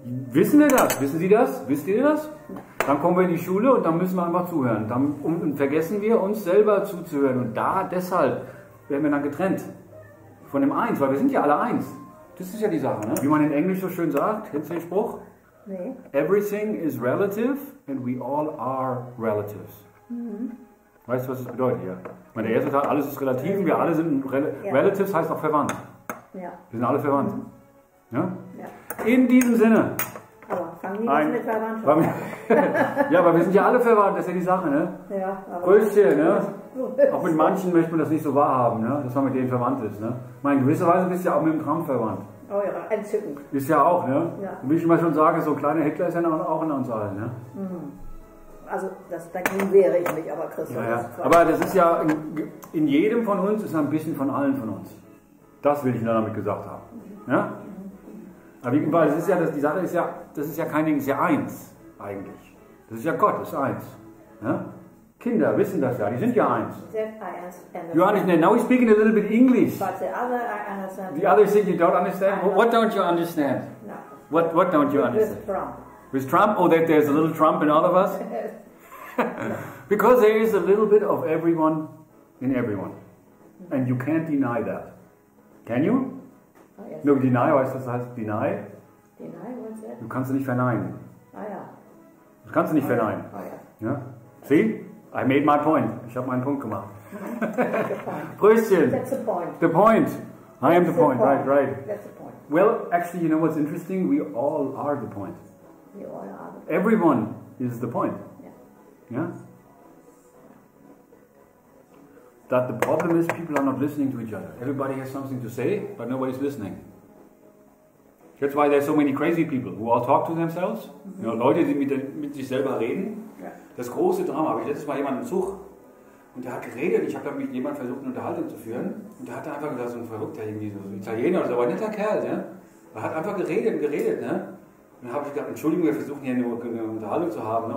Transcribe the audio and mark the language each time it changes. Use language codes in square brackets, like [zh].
[de] Wissen wir das? Wissen sie das? Wisst ihr das? Ja. Dann kommen wir in die Schule und dann müssen wir einfach zuhören. Dann vergessen wir, uns selber zuzuhören. Und deshalb werden wir dann getrennt. Von dem Eins, weil wir sind ja alle eins. Das ist ja die Sache, ne? Wie man in Englisch so schön sagt, kennst du den Spruch? Nee. [en] Everything is relative and we all are relatives. Mhm. [de] Weißt du, was das bedeutet hier? Ich meine, der erste Teil, alles ist relativ, wir alle sind relatives, heißt auch verwandt. Ja. Wir sind alle verwandt. Mhm. Ja? Ja. In diesem Sinne. Aber Familie ist mit Verwandtschaft. Ja, aber wir sind ja alle verwandt, das ist ja die Sache, ne? Ja. Grüßchen, ne? Auch mit manchen möchte man das nicht so wahrhaben, ne? Dass man mit denen verwandt ist. Ne? Ich meine, in gewisser Weise bist du ja auch mit dem Trump verwandt. Oh ja, entzückend. Ist ja auch, ne? Ja. Und wie ich immer schon sage, so ein kleiner Hitler ist ja auch in uns allen. Ne? Also, dagegen wehre ich mich, aber Christoph. Ja, ja. Aber das ist ja, in jedem von uns ist ein bisschen von allen von uns. Das will ich nur damit gesagt haben. Ja? Aber es ist ja, die Sache ist ja, das ist ja kein Ding, das ist ja eins eigentlich. Das ist ja Gott, das ist eins. Ja? Kinder wissen das ja, die sind ja eins. [en] Johannes, now we're speaking a little bit English. But the other, I understand. The others say you don't understand? What don't you understand? No. What don't you understand? With Trump. With Trump? Oh, that there's a little Trump in all of us? Because there is a little bit of everyone in everyone. And you can't deny that. Can you? Oh, yes. [de] No, deny, weißt du, was das heißt? Deny? [en] Deny, what's that? [de] Du kannst es nicht verneinen. Ah, ja. Du kannst es nicht verneinen. Ah, ja. Ja? [en] See? I made my point. [de] Ich habe meinen Punkt gemacht. [en] Brüstchen. That's the point. The point. I am the point. Right, right. That's the point. Well, actually, you know what's interesting? We all are the point. We all are the point. Everyone is the point. Yeah. Yeah? That the problem is people are not listening to each other. Everybody has something to say, but nobody's listening. That's why there's so many crazy people who all talk to themselves. Mm-hmm. You know, [de] Leute, die mit sich selber reden. Das große Drama, habe ich letztes Mal jemanden im Zug und der hat geredet. Ich habe mit jemandem versucht, eine Unterhaltung zu führen. Und der hat einfach gesagt, so ein Verrückter, irgendwie so ein Italiener oder so, aber ein netter Kerl. Ne? Er hat einfach geredet. Ne? Und dann habe ich gedacht, Entschuldigung, wir versuchen hier eine Unterhaltung zu haben. Ne?